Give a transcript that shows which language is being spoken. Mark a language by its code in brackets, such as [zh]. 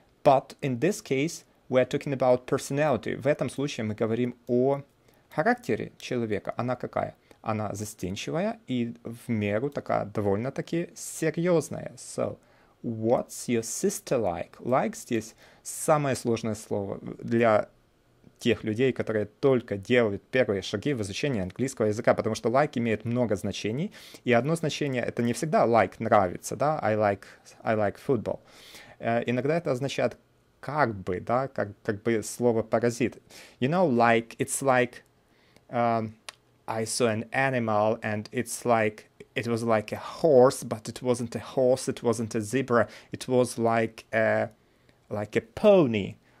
[en] But in this case, we're talking about personality. [ru] В этом случае мы говорим о характере человека. Она какая? Она застенчивая и в меру такая довольно-таки серьезная. [en] So, what's your sister like? [ru] Like здесь самое сложное слово для тех людей, которые только делают первые шаги в изучении английского языка, потому что like имеет много значений, и одно значение — это не всегда like нравится, да, [en] I like football. [ru] Иногда это означает как бы, да, как бы слово паразит. [en] You know, like, it's like I saw an animal, and it's like, it was like a horse, but it wasn't a horse, it wasn't a zebra, it was like a pony.